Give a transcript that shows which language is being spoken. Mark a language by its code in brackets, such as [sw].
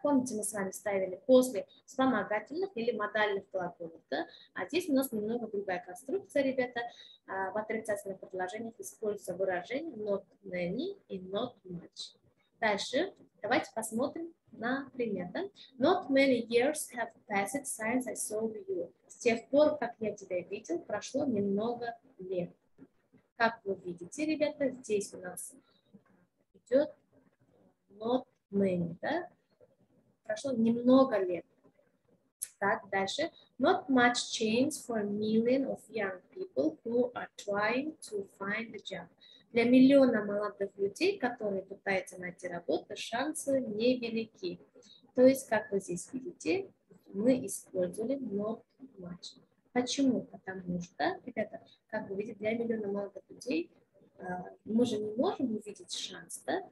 [ru] Помните, мы с вами ставили после вспомогательных или модальных глаголов, да? А здесь у нас немного другая конструкция, ребята. В отрицательных предложениях используется выражение not many и not much. Дальше давайте посмотрим на пример. Да? [en] Not many years have passed since I saw you. [ru] С тех пор, как я тебя видел, прошло немного лет. Как вы видите, ребята, здесь у нас идет not many, да? Прошло немного лет. Так, дальше. [en] Not much change for millions of young people who are trying to find a job. [ru] Для миллиона молодых людей, которые пытаются найти работу, шансы невелики. То есть, как вы здесь видите, мы использовали not much. Почему? Потому что, ребята, как вы видите, для миллиона молодых людей мы же не можем увидеть шанс, да?